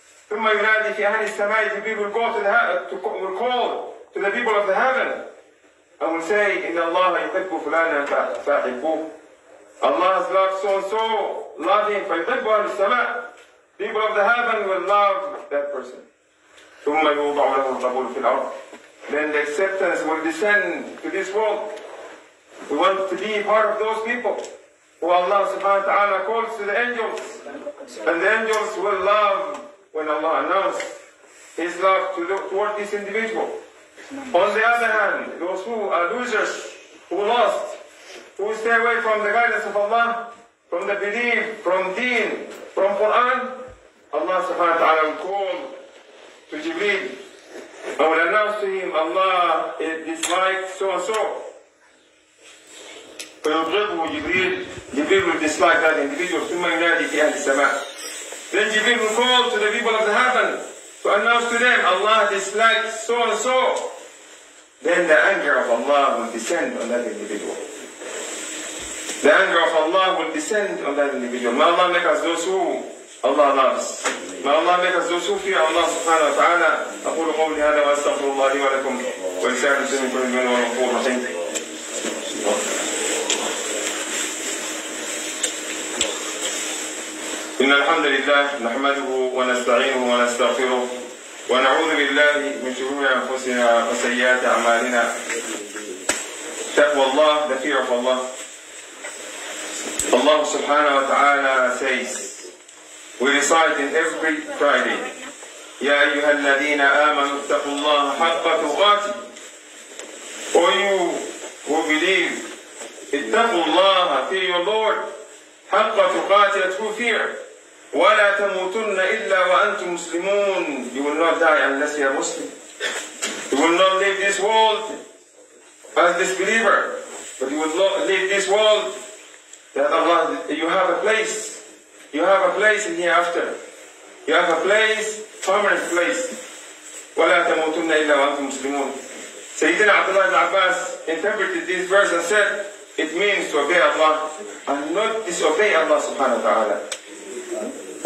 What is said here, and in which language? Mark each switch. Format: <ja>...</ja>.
<ar>ثم ينادي في أهل السماء.</ar> <en>Jibreel will go to the will call to the people of the heaven and will say,</en> <ar>إن الله يحب فلانا فأحبوه. Allah has loved so and so, love him. فيحب أهل السماء.</ar> <en>People of the heaven will love that person.</en> <ar>ثم يوضع له القبول في الأرض.</ar> <en>Then the acceptance will descend to this world. We want to be part of those people who Allah subhanahu wa ta'ala calls to the angels. And the angels will love when Allah announces his love to look toward this individual. On the other hand, those who are losers, who lost, who stay away from the guidance of Allah, from the belief, from deen, from Quran, Allah subhanahu wa ta'ala will call to Jibreel. I will announce to him, Allah dislikes so and so.</en> <ar>فيضربه جبريل.</ar> <en>جبريل will dislike that individual.</en> <ar>ثم ينادي في أهل السماء.</ar> <en>Then Jibreel will call to the people of the heaven to announce to them, Allah dislikes so and so. Then the anger of Allah will descend on that individual. The anger of Allah will descend on that individual. May Allah make us those who Allah loves. May Allah make us those who fear Allah subhanahu wa ta'ala.</en> <ar>أقول قولي هذا وأستغفر الله لي ولكم ولسائر المسلمين كلهم وغفور رحيم. إن الحمد لله نحمده ونستعينه ونستغفره ونعوذ بالله من شرور أنفسنا وسيئات أعمالنا. تقوى الله</ar> <en>the fear of Allah. Allah subhanahu wa ta'ala says, we recite in every Friday,</en> <ar>يا أيها الذين آمنوا اتقوا الله حق تقاته.</ar> <en>O you who believe,</en> <ar>اتقوا الله</ar> <en>fear your Lord</en> <ar>حق تقاته</ar> <en>true fear.</en> <ar>ولا تموتن إلا وأنتم مسلمون.</ar> <en>You will not die unless you are Muslim. You will not leave this world as disbeliever, but you will not leave this world that Allah, you have a place. You have a place in hereafter. You have a place, permanent place.</en> <ar>ولا تموتن إلا وأنتم مسلمون.</ar> <en>Sayyidina Abdullah ibn Abbas interpreted this verse and said, it means to obey Allah and not disobey Allah subhanahu wa ta'ala.</en>